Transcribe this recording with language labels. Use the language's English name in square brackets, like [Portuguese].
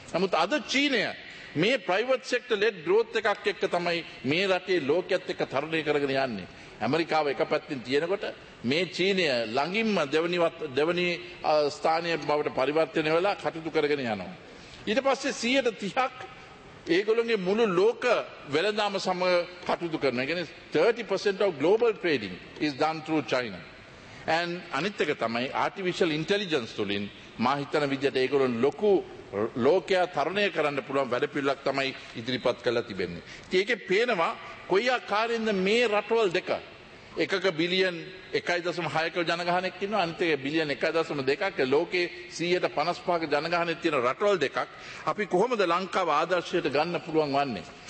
[Sinhala] නමුත් අද චීනය මේ ප්‍රයිවට් සෙක්ටර් ලෙඩ් ග්‍රෝත් එකක් එක්ක තමයි මේ රටේ ලෝකයේත් එක්ක තරණය කරගෙන යන්නේ. ඇමරිකාව එක පැත්තෙන් තියෙනකොට මේ චීනය ළඟින්ම දෙවනි ස්ථානීය බවට පරිවර්තනය වෙලා කටයුතු කරගෙන යනවා. ඊට පස්සේ 130ක් ඒගොල්ලන්ගේ මුළු ලෝක වෙළඳාම සමග කටයුතු කරන. ඒ කියන්නේ [English] 30% of global trading is done through China. [Sinhala] And අනිත් එක තමයි artificial intelligence තුලින් මා හිතන විදිහට ඒගොල්ලෝ ලොකු ලෝකයා තරණය කරන්න පුළුවන් වැඩපිළිවෙලක් තමයි ඉදිරිපත් කළා තිබෙන්නේ. ඉතින් ඒකේ පේනවා කොයි ආකාරයෙන්ද මේ රටවල් දෙක එකක බිලියන් 1.6ක ජනගහනයක් ඉන්නවා අනිත් එක බිලියන් 1.2ක ලෝකේ 155ක ජනගහනයක් තියෙන රටවල් දෙකක් අපි කොහොමද ලංකාව ආදර්ශයට ගන්න පුළුවන් වන්නේ.